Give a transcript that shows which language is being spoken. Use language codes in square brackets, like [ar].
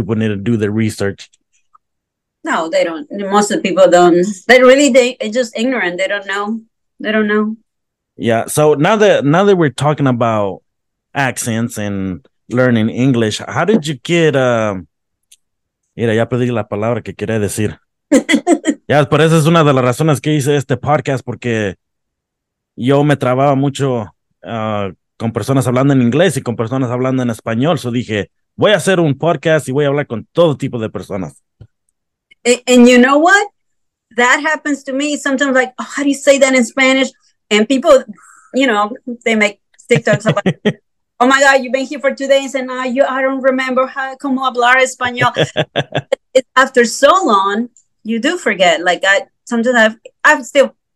[en] People need to do their research. No, they don't. Most of the people don't. They're just ignorant. They don't know. Yeah. So now that we're talking about accents and learning English, how did you get? [es] Mira, ya pedí la palabra que quería decir. Ya, pero esa es una de las razones que hice este podcast porque. Yo me trababa mucho con personas hablando en inglés y con personas hablando en español. So dije, voy a hacer un podcast y voy a hablar con todo tipo de personas. [en] And you know what? That happens to me sometimes, like, oh, how do you say that in Spanish? And people, you know, they make TikToks about, oh my God, you've been here for 2 days and now I don't remember how to [es] come hablar español. [en] After so long, you do forget. Like, I've still...